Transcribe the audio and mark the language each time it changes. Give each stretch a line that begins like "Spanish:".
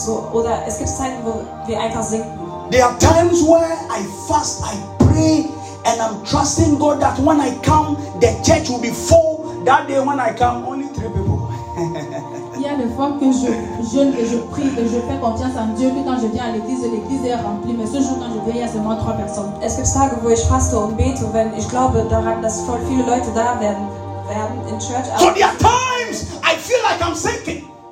English: There are times where I fast, I pray, and I'm trusting God that when I come, the church will be full. That day when I come, only three people.
French: Il y a des fois que je jeûne et je prie et je fais confiance en Dieu que quand je viens à l'église, l'église est remplie. Mais ce jour, quand je viens, il y a seulement trois personnes.
German: Es gibt Tage, wo ich faste und bete, wenn ich glaube daran, dass voll viele Leute da werden in Church.
English: So there are times I feel like I'm sinking.